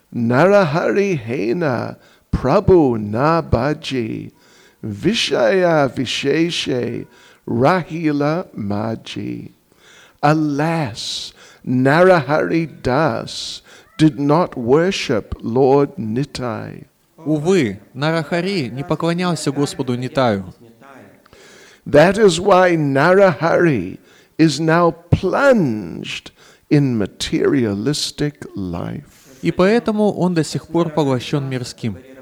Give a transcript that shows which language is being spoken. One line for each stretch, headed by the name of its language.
Bangla: Нарахари хейна прабу набаджи вишая вишеше рахила маджи.
English: Alas, Нарахари дас did not worship Lord Nittai.
Russian: Увы, Нарахари не поклонялся Господу Нитаю.
English: That is why Narahari is now plunged in materialistic life.
Russian: И поэтому он до сих пор поглощен мирским.